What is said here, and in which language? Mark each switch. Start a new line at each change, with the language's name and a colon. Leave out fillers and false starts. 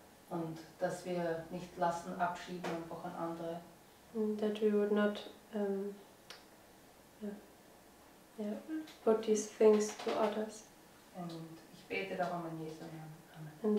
German: Und dass wir nicht lassen, abschieben und auch an andere.
English: And that we would not put these things to others.
German: Und ich bete darum in Jesu Namen. Amen.